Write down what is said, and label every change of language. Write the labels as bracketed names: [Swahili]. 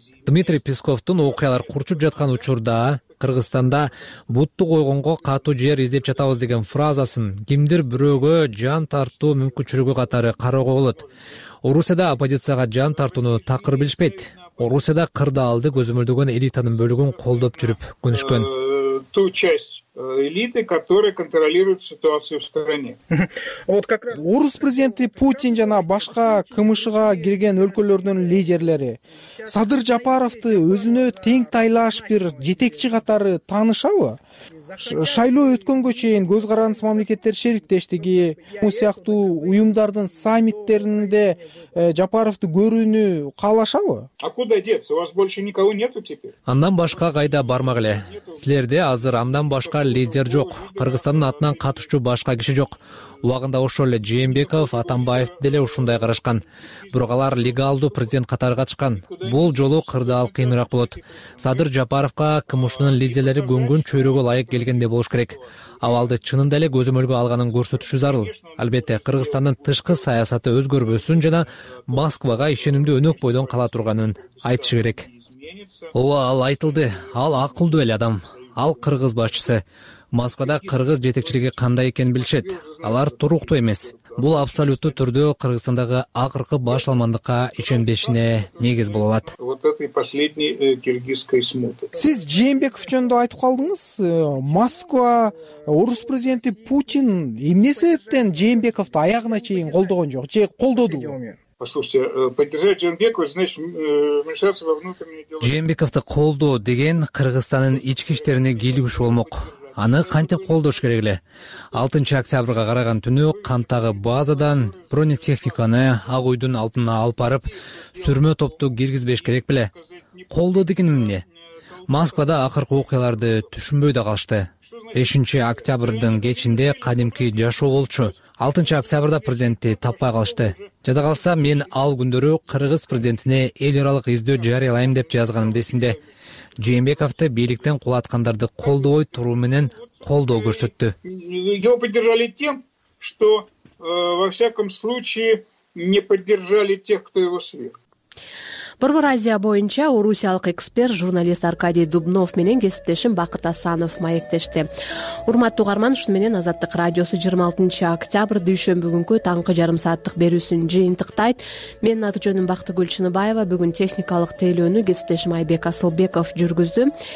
[Kyrgyz] Дмитрий Песковдун окуялар курчуп жаткан учурда Кыргызстанда бутту койгонго катуу жер издеп жатабыз деген фразасын кимдир бирөөгө жан тартуу мүмкүнчүлүгү катары карауга болот. Орусияда оппозицияга жан тартууну такыр билишпейт. Орусияда кырдаалды көзөмөлдөгөн элитанын бөлүгүн колдоп жүрүп күнүшкөн. [Russian] Ту часть элиты, которая контролирует ситуацию в стране. Вот как раз [Kyrgyz] орус президенти Путин жана башка КМШ-га кирген өлкөлөрдүн лидерлери Садыр Жапаровду өзүнө тең тайлаш бир жетекчи катары таанышабы? Шайлоо өткөнгө чейин көз караңыз мамлекеттер шериктештиги сыяктуу уюмдардын саммиттеринде Жапаровду көрүүнү каалашабы? [Russian] А куда деться? У вас больше никого нету теперь. [Kyrgyz] Андан башка кайда бармак эле? Силерде азыр андан башка лидер жок. Кыргызстандын атынан катышчу башка киши жок. Убагында ошол эле Жээнбеков, Атамбаев деле ушундай карашкан. Бирок алар легалдуу президент катары катышкан. Бул жолу кырдаал кыйыныраак болот. Садыр Жапаровго КМШнын лидерлери көнгөн чөйрөгө ылайык келгенде болуш керек. Абалды чынында эле көзөмөлгө алганын көрсөтүшү зарыл. Албетте Кыргызстандын тышкы саясаты өзгөрбөсүн жана Москвага ишенимдүү өнөк бойдон кала турганын айтышы керек. Ооба, ал айтылды. Ал акылдуу эле адам. Ал кыргыз башчысы. Москвада кыргыз жетекчилиги кандай экенин билишет. Алар туруктуу эмес. Бул абсолюттуу түрдө Кыргызстандагы акыркы башалмандыкка ишенбешине негиз боло алат. [Russian] Вот этой последней киргизской смуты. [Kyrgyz] Сиз Жээнбеков жөнүндө айтып калдыңыз. Москва орус президенти Путин эмне себептен Жээнбековду аягына чейин колдогон жок же колдодубу? [Russian] Послушайте, поддержать Жээнбекова, значит, вмешаться во внутренние дела. [Kyrgyz] Жээнбековду колдоо деген Кыргызстандын ички иштерине кийлигиш болмок. Аны кантип колдош керек эле? 6 октябрга караган түнү кантагы базадан бронетехниканы ак үйдүн алдына алып барып сүрмө топту киргизбеш керек беле? Колдоо деген эмне? Москвада акыркы окуяларды түшүнбөй да калышты. 5 октябрдын кечинде кадимки жашоо болчу. 6 октябрда президентти таппай калышты. Жада калса, мен ал күндөрү кыргыз президентине эл аралык издөө жарыялайм деп жазганымды эсимде. Жээнбековду бийликтен кулаткандарды колдобой туруу менен колдоо көрсөттү. [Russian] Его поддержали тем, что во всяком случае не поддержали тех, кто его сверг. [Kyrgyz] Борбор Азия боюнча орусиялык эксперт журналист Аркадий Дубнов менен кесиптешим Бакыт Асанов маектешти. Урматтуу каарман, ушуну менен Азаттык радиосу 26-октябрь дүйшөмбү күнкү таңкы жарым сааттык берүүсүн жыйынтыктайт. Менин аты жөнүм Бактыгүл Чыныбаева. Бүгүн техникалык тейлөөнү кесиптешим Айбек Асылбеков жүргүздү.